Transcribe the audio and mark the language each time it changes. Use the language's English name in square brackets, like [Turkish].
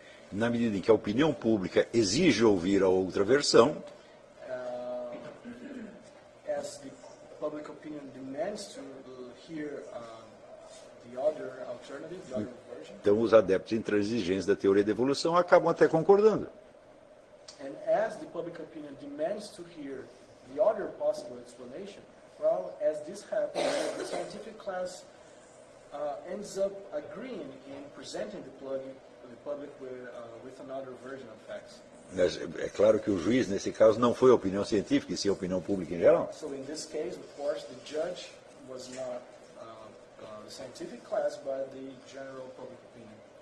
[Portuguese] Na medida em que a opinião pública exige ouvir a outra versão, [English] as the public opinion demands to hear the other alternative, the other version, [Portuguese] então os adeptos intransigentes da teoria da evolução acabam até concordando. [English] And as the public opinion demands to hear the other possible explanation, well, as this happens, the scientific class ends up agreeing in presenting the public with another version of facts. [Portuguese] Mas é claro que o juiz, nesse caso, não foi a opinião científica, e sim a opinião pública em geral. [English] So in this case, of course, the judge was not the scientific class, but the general public opinion.